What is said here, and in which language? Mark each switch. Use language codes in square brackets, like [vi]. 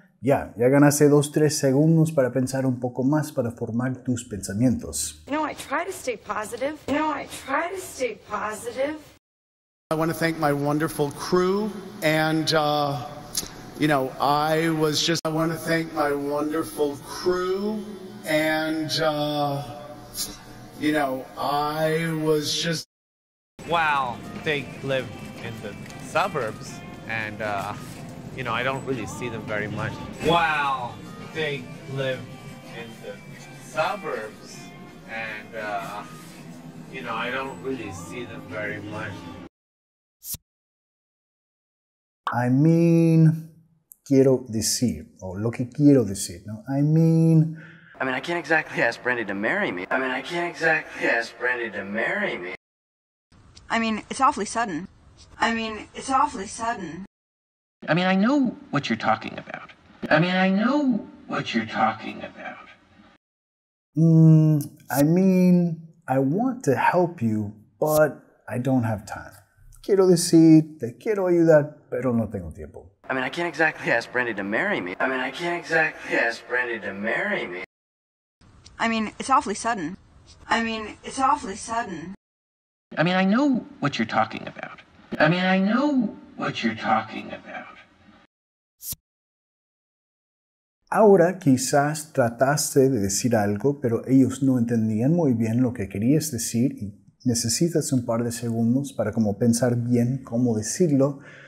[es] Ya ganaste 2-3 segundos para pensar un poco más, para formar tus pensamientos. [en] No, I try to stay positive. No, I try to stay positive. I want to thank my wonderful crew and, you know, I was just. I want to thank my wonderful crew and, you know, I was just. Well, they live in the suburbs, and, you know, I don't really see them very much. Well, they live in the suburbs, and, you know, I don't really see them very much. I mean, [es] quiero decir, or lo que quiero decir, no? [en] I mean, I can't exactly ask Brandy to marry me. I mean, I can't exactly ask Brandy to marry me. I mean, it's awfully sudden. I mean, it's awfully sudden. I mean, I know what you're talking about. I mean, I know what you're talking about. I mean, I want to help you, but I don't have time. [es] Quiero decir, te quiero ayudar, pero no tengo tiempo. [en] I mean, I can't exactly ask Brandy to marry me. I mean, I can't exactly ask Brandy to marry me. I mean, it's awfully sudden. I mean, it's awfully sudden. I mean, I know what you're talking about. I mean, I know what you're talking about. [es] Ahora quizás trataste de decir algo, pero ellos no entendían muy bien lo que querías decir y necesitas un par de segundos para como pensar bien cómo decirlo.